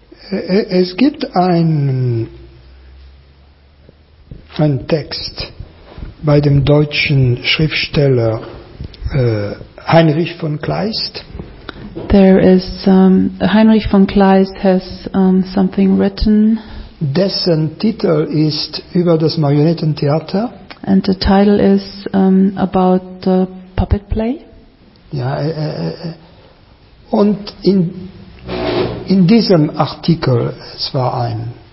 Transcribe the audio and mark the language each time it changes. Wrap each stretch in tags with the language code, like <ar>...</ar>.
<de>Es gibt einen Text bei dem deutschen Schriftsteller Heinrich von Kleist.</de> <en>There is Heinrich von Kleist has something written.</en> <de>Dessen Titel ist über das Marionettentheater.</de> <en>And the title is about the puppet play.</en> <de>Ja, und in diesem Artikel, es war ein</de>